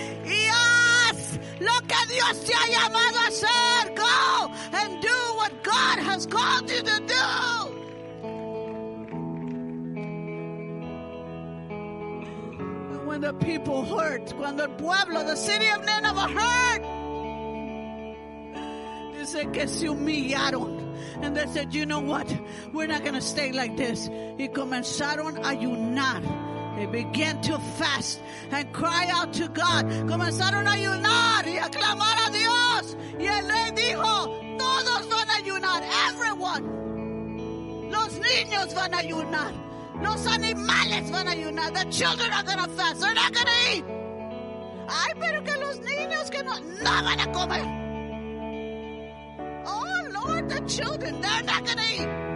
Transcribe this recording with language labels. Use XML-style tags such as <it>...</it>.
<es>Y haz lo que Dios te ha llamado a hacer.</es> <en>Go and do what God has called you to do. The people heard,</en> <es>cuando el pueblo,</es> <en>the city of Nineveh heard,</en> <es>dice que se humillaron,</es> <en>and they said, you know what, we're not going to stay like this.</en> <es>Y comenzaron a ayunar.</es> <en>They began to fast and cry out to God.</en> <es>Comenzaron a ayunar y a clamar a Dios. Y el rey dijo, todos van a ayunar,</es> <en>everyone.</en> <es>Los niños van a ayunar. Los animales van a ayunar.</es> <en>The children are going to fast. They're not going to eat.</en> <es>Ay, pero que los niños que no, no van a comer.</es> <en>Oh, Lord, the children, they're not going to eat.</en>